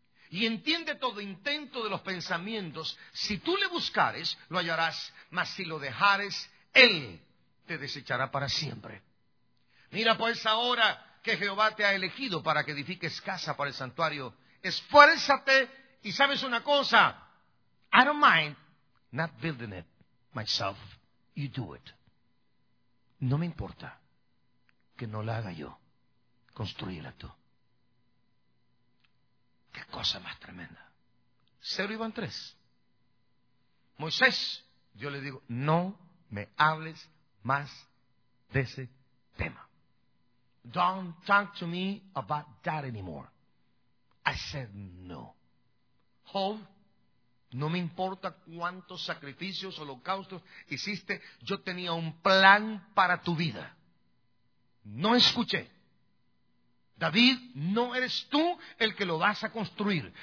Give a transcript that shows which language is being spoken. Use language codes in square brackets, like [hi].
[es] Y entiende todo intento de los pensamientos. Si tú le buscares, lo hallarás. Mas si lo dejares, él te desechará para siempre. Mira pues ahora que Jehová te ha elegido para que edifiques casa para el santuario. Esfuérzate y sabes una cosa. [en] I don't mind not building it myself. You do it. [es] No me importa que no la haga yo. Construyela tú. Qué cosa más tremenda. 0:3. Moisés, yo le digo, no me hables más de ese tema. [en] Don't talk to me about that anymore. I said no. Hold. [es] No me importa cuántos sacrificios, holocaustos hiciste, yo tenía un plan para tu vida. No escuché. David, no eres tú el que lo vas a construir.